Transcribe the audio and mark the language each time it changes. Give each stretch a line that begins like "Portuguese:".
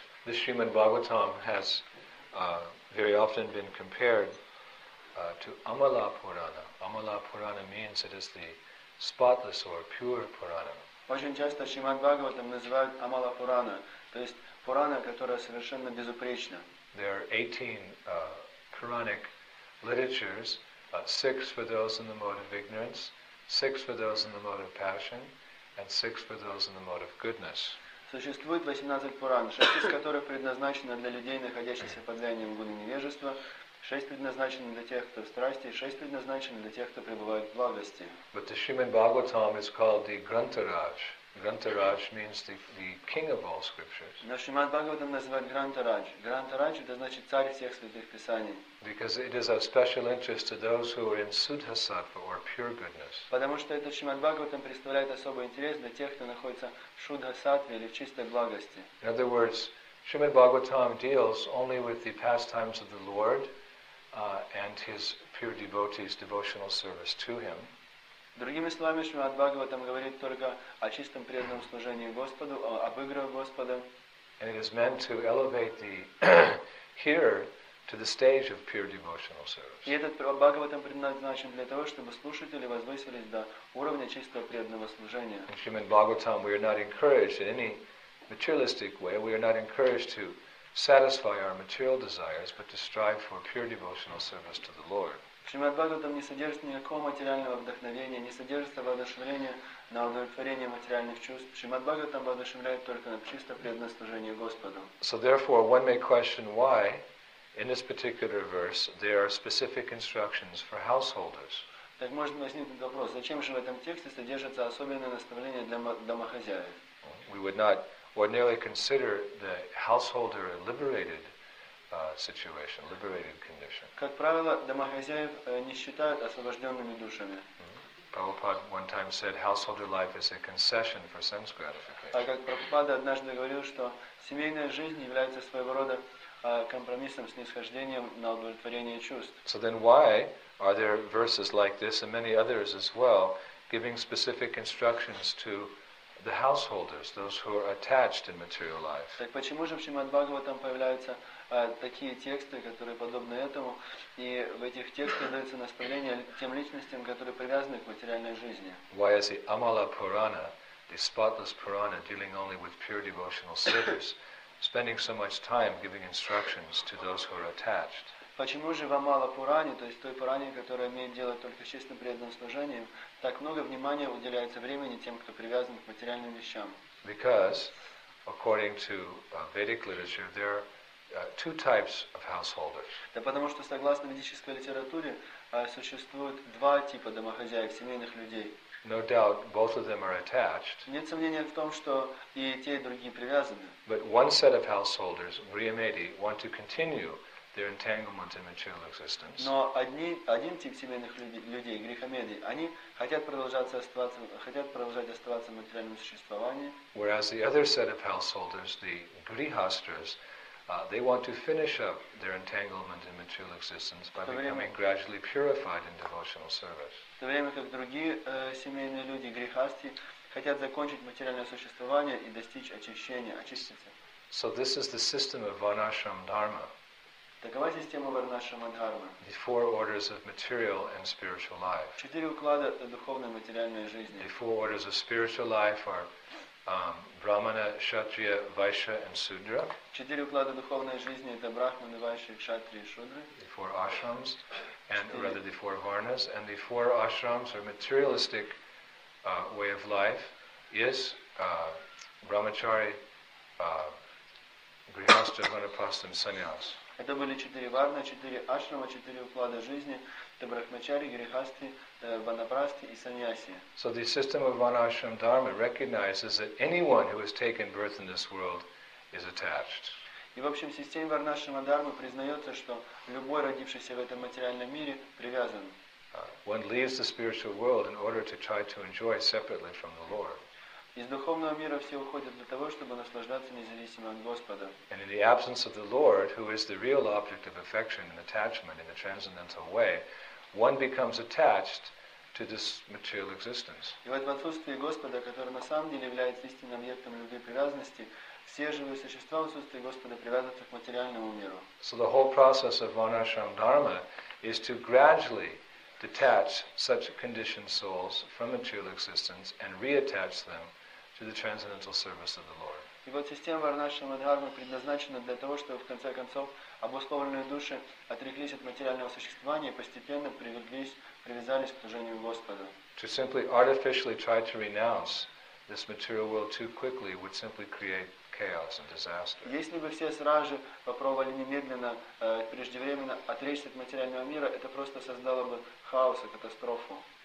English: This Srimad Bhagavatam has very often been compared to Amala Purana. Amala Purana means it is the spotless or pure Purana.
Russian: Очень часто Шримад Бхагаватам называют Амала Пурана, то есть Пурана, которая совершенно безупречна.
English: There are 18 Puranic literatures, 6 for those in the mode of ignorance, 6 for those in the mode of passion, and 6 for those in the mode of goodness.
Russian: Существует 18 Пуран, 6 из которых предназначены для людей, находящихся под влиянием гуны невежества, 6 предназначены для тех, кто в страсти, 6 предназначены для тех, кто пребывает в благости.
English: But the Srimad Bhagavatam is called the Grantharaj. Grantharaj means the king of all scriptures.
Russian: Но Шримад Бхагаватам называют Грантарадж. Грантарадж это значит царь всех святых писаний.
English: Because it is of special interest to those who are in Suddhasattva or pure goodness.
Russian: Потому что этот Шримад Бхагаватам представляет особый интерес для тех, кто находится в Шуддхасаттве или в чистой благости.
English: In other words, Shrimad Bhagavatam deals only with the pastimes of the Lord and his pure devotees' devotional service to him.
Russian: Другими словами, Шримад Бхагаватам говорит только о чистом преданном служении Господу, об играх Господа.
English: And it is meant to elevate the hearer to the stage of pure devotional service.
Russian: И этот Бхагаватам предназначен для того, чтобы слушатели возвысились до уровня чистого преданного служения.
English: In Shrimad Bhagavatam, we are not encouraged in any materialistic way. We are not encouraged to satisfy our material desires, but to strive for pure devotional service to the Lord.
Russian: Шримад Бхагаватам не содержит никакого материального вдохновения, не содержится воодушевления на удовлетворение материальных чувств. Шримад Бхагаватам воодушевляет только на чисто преданное служение Господу.
English: So therefore, one may question why, in this particular verse, there are specific instructions for householders.
Russian: Так может возникнуть вопрос, зачем же в этом тексте содержатся особенные наставления для домохозяев?
English: We would not ordinarily consider the householder a liberated situation, liberated condition.
Russian: Как правило, домохозяев не считают освобожденными душами.
English: Prabhupada one time said, "Householder life is a concession for sense gratification."
Russian: А как Прабхупада однажды говорил, что семейная жизнь является своего рода компромиссом с нисхождением на удовлетворение чувств.
English: So then, why are there verses like this and many others as well, giving specific instructions to the householders, those who are attached in material life?
Russian: Так почему же в Шримад Бхагаватам появляются такие тексты, которые подобны этому, и в этих текстах дается наставление тем личностям, которые привязаны к материальной жизни?
English: Why is the Amala Purana, the spotless Purana, dealing only with pure devotional service, spending so much time giving instructions to those who are attached?
Russian: Почему же в Амала Пуране, то есть той Пуране, которая имеет дело только с чистым преданным служением, так много внимания уделяется времени тем, кто привязан к материальным вещам?
English: Because, according to Vedic literature, there are two types of householders.
Russian: Да потому что согласно ведической литературе существует два типа домохозяев, семейных людей.
English: No doubt, both of them are attached.
Russian: Нет сомнения в том, что и те, и другие привязаны.
English: But one set of householders, Vrihamedi, want to continue their entanglement in material existence.
Russian: Но один тип семейных людей, грихамеди, они хотят продолжать оставаться в материальном существовании.
English: Whereas the other set of householders, the grihastras, they want to finish up their entanglement in material existence by becoming gradually purified in devotional service.
Russian: В то время как другие семейные люди, грихасти, хотят закончить материальное существование и достичь очищения, очиститься.
English: So this is the system of Varnashram Dharma.
Russian: Такова система Варнашрама Дхармы.
English: The four orders of material and spiritual life.
Russian: Четыре уклада духовной материальной жизни.
English: The four orders of spiritual life are Brahmana, Kshatriya, Vaishya, and Sudra.
Russian: Четыре уклада духовной жизни это Брахманы, Вайши, Кшатри и Шудры.
English: The four ashrams, and rather the four varnas, and the four ashrams or materialistic way of life is Brahmachari, Grihastha, Vanaprastha, and Sannyas.
Russian: Это были четыре варны, четыре ашрама, четыре уклада жизни, это брахмачари, грихасти, ванапрасти и саньяси.
English: So the system of one ashram dharma recognizes that anyone who has taken birth in this world is attached.
Russian: И в общем, система варнашрама дхармы признается, что любой родившийся в этом материальном мире привязан.
English: One leaves the spiritual world in order to try to enjoy separately from the Lord.
Russian: Из духовного мира все уходят для того, чтобы наслаждаться независимо от Господа.
English: And in the absence of the Lord, who is the real object of affection and attachment in a transcendental way, one becomes attached to this material existence.
Russian: И вот в отсутствии Господа, который на самом деле является истинным объектом любви и привязанности, все живые существа в отсутствии Господа привязываются к материальному миру.
English: So the whole process of Varnashram Dharma is to gradually detach such conditioned souls from material existence and reattach them to the transcendental service of the Lord.
Russian: И вот система Варнашрама Дхармы предназначена для того, чтобы в конце концов обусловленные души отреклись от материального существования и постепенно привязались к служению Господа.
English: To simply artificially try to renounce this material world too quickly would simply create chaos and disaster.
Russian: Если бы все сразу же попробовали немедленно, преждевременно отречься от материального мира, это просто создало бы хаос и катастрофу.